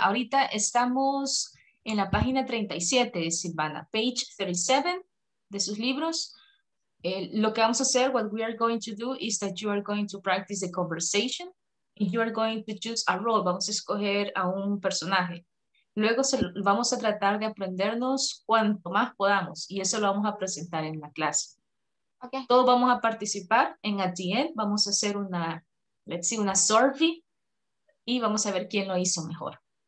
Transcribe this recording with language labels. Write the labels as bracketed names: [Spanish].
[Spanish] Ahorita estamos en la página 37 de Silvana, [English] page 37 [Spanish] de sus libros. Lo que vamos a hacer, [English] what we are going to do, is that you are going to practice the conversation and you are going to choose a role. [Spanish] Vamos a escoger a un personaje. Luego vamos a tratar de aprendernos cuanto más podamos y eso lo vamos a presentar en la clase. [English] Okay. [Spanish] Todos vamos a participar en [English] at the end. [Spanish] Vamos a hacer una, [English] let's see, [Spanish] una survey. Y vamos a ver quién lo hizo mejor.